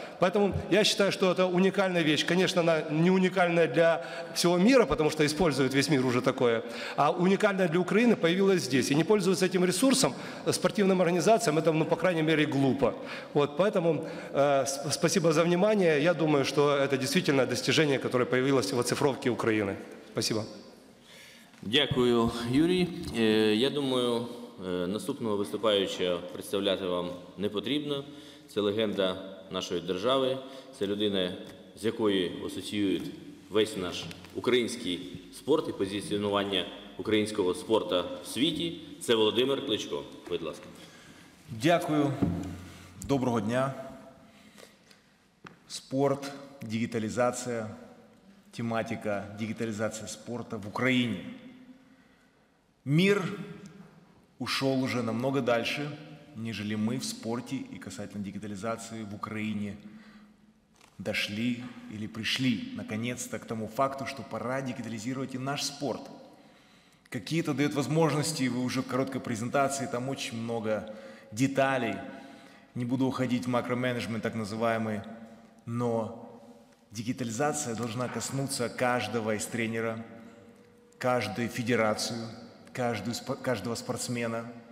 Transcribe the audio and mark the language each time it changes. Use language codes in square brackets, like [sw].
[ru] Поэтому я считаю, что это уникальная вещь. Конечно, она не уникальная для всего мира, потому что использует весь мир уже такое, а уникальная для Украины появилась здесь. И не пользоваться этим ресурсом спортивным организациям, это, ну, по крайней мере, глупо. Вот, поэтому спасибо за внимание. Я думаю, что это действительно достижение, которое появилось в оцифровке Украины. Спасибо. [uk] Дякую, Юрій. Я думаю, наступного виступаючого представляти вам не потрібно. Це легенда нашої держави, це людина, з якої асоціюють весь наш український спорт і позиціонування українського спорту в світі. Це Володимир Кличко. Будь ласка. Дякую. Доброго дня. Спорт, дигіталізація, тематика дигіталізації спорту в Україні. [ru] Мир ушел уже намного дальше, нежели мы в спорте и касательно дигитализации в Украине дошли или пришли наконец-то к тому факту, что пора дигитализировать и наш спорт. Какие это дает возможности, вы уже в короткой презентации, там очень много деталей, не буду уходить в макроменеджмент так называемый, но дигитализация должна коснуться каждого из тренера, каждую федерацию, каждого спортсмена.